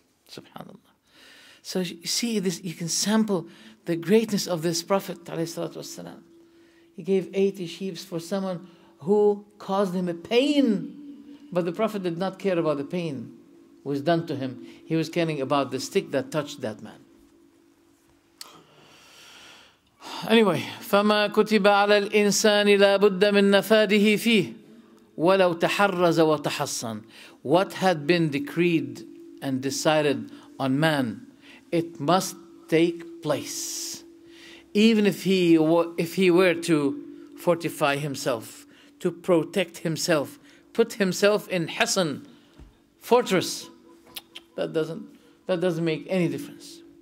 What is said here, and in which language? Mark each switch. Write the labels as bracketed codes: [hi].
[en] Subhanallah. So you see this, you can sample the greatness of this Prophet, alayhi salatu wasalam. He gave 80 sheep for someone who caused him a pain. But the Prophet did not care about the pain was done to him. He was caring about the stick that touched that man. [ar] Anyway, فَمَا كُتِبَ عَلَى الْإِنسَانِ لَا بُدَّ مِنْ نَفَادِهِ فِيهِ وَلَوْ تَحَرَّزَ وَتَحَصَّنَ. [en] What had been decreed and decided on man, it must take place. Even if he were to fortify himself, to protect himself, put himself in Hassan, fortress, that doesn't make any difference.